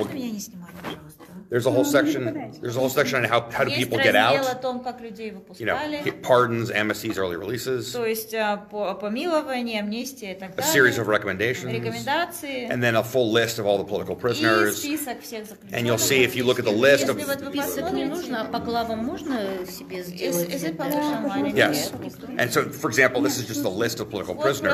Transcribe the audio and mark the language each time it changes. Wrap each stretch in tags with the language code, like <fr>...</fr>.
<ru>Можно меня не снимать, пожалуйста?</ru> <en>There's a whole section. There's a whole section on how do</en> <ru>есть</ru> <en>people get out.</en> <ru>Том,</ru> <en>you know, pardons, amnesties, early releases.</en> <ru>То есть помилование, амнистия, и так далее.</ru> <en>A series of recommendations.</en> <ru>Рекомендации.</ru> <en>And then a full list of all the political prisoners.</en> <ru>И список всех заключенных.</ru> <en>And you'll see if you look at the list of.</en> <ru>Список не нужно, а по главам можно себе сделать.</ru> <en>Yes. And so, for example, this is just a list of political prisoners.</en>